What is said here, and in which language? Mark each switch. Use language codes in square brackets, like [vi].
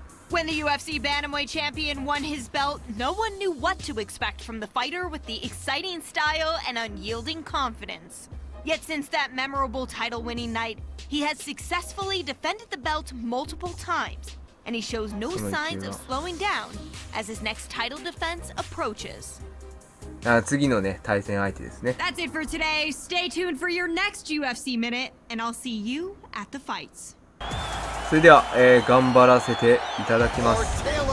[en] When the UFC Bantamweight Champion won his belt, no one knew what to expect from the fighter with the exciting style and unyielding confidence. Yet since that memorable title-winning night, he has successfully defended the belt multiple times, and he shows no signs of slowing down as his next title defense approaches. [ja] あ、次のね、対戦相手ですね。 [en] That's it for today. Stay tuned for your next UFC minute, and I'll see you at the fights. [ja] それでは、頑張らせていただきます。